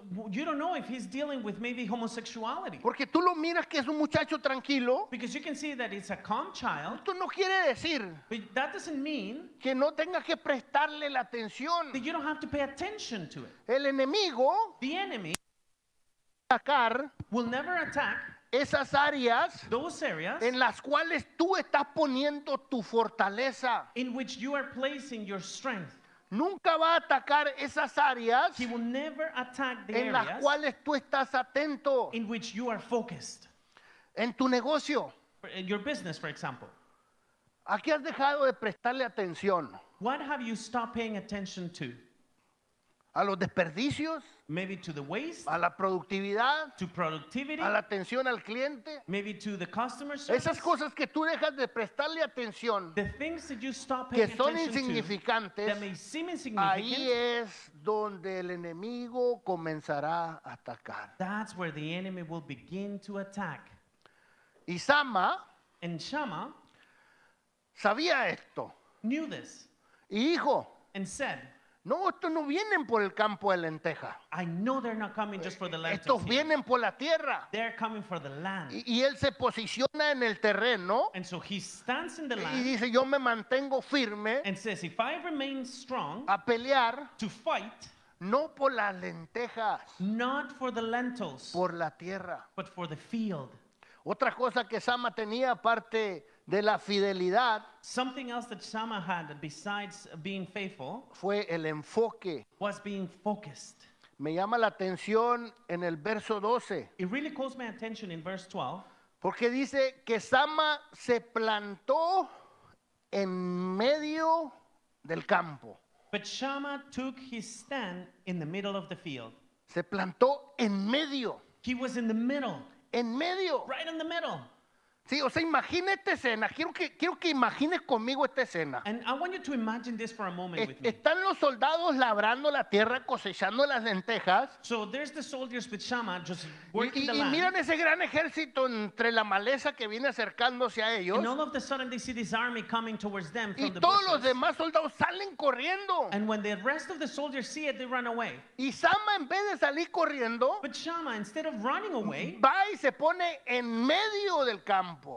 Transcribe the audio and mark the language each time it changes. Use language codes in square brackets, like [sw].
[en] You don't know if he's dealing with maybe homosexuality. [es] Porque tú lo miras que es un muchacho tranquilo. [en] Because you can see that he's a calm child. [es] Esto no quiere decir, [en] but that doesn't mean [es] que no tengas que prestarle la atención. [en] That you don't have to pay attention to it. [es] El enemigo, [en] the enemy, [es] atacar, [en] will never attack [es] esas áreas, [en] those areas, [es] en las cuales tú estás poniendo tu fortaleza, [en] in which you are placing your strength. [es] Nunca va a atacar esas áreas, [en] he will never attack the [es] en las [en] areas [es] cuales tú estás atento, [en] in which you are focused. [es] En tu negocio, [en] in your business, for example. [es] ¿A qué has dejado de prestarle atención? [en] What have you stopped paying attention to? [es] ¿A los desperdicios? [en] Maybe to the waste. [es] ¿A la productividad? [en] To productivity. [es] ¿A la atención al cliente? [en] Maybe to the customer service. [es] Esas cosas que tú dejas de prestarle atención, [en] the things that you stop paying [es] que son [en] attention [es] insignificantes, [en] to, that may seem insignificant, [es] ahí es donde el enemigo comenzará a atacar. [en] That's where the enemy will begin to attack. [es] Y Sama, [en] and Shama, [es] sabía esto. [en] Knew this. [es] Y dijo, [en] and said, [es] no, estos no vienen por el campo de lenteja. [en] I know they're not coming just for the lentils. [es] Estos vienen por la tierra. [en] They're coming for the land. [es] Y él se posiciona en el terreno. [en] And so he stands in the land. [es] Y dice, yo me mantengo firme. [en] And says, if I remain strong, [es] a pelear, [en] to fight, [es] no por las lentejas, [en] not for the lentils, [es] por la tierra, [en] but for the field. [es] Otra cosa que Sama tenía aparte de la fidelidad, [en] something else that Shama had besides being faithful, [es] fue el enfoque, [en] was being focused. [es] Me llama la atención en el verso 12. [en] It really calls my attention in verse 12. [es] Porque dice que Shama se plantó en medio del campo. [en] But Shama took his stand in the middle of the field. [es] Se plantó en medio. [en] He was in the middle. [es] En medio. [en] Right in the middle. [es] Sí, o sea, imagina esta escena. Quiero que imagines conmigo esta escena. [en] And I want you to imagine this for a moment with me. [es] Están los soldados labrando la tierra, cosechando las lentejas. [en] So there's the soldiers with Shama just working the [es] land. Y miran ese gran ejército entre la maleza que viene acercándose a ellos. [en] And all of a sudden they see this army coming towards them from the bushes. [es] Y todos los demás soldados salen corriendo. [en] And when the rest of the soldiers see it, they run away. [es] Y Shama, en vez de salir corriendo, [en] but Shama, instead of running away, [es] va y se pone en medio del campo.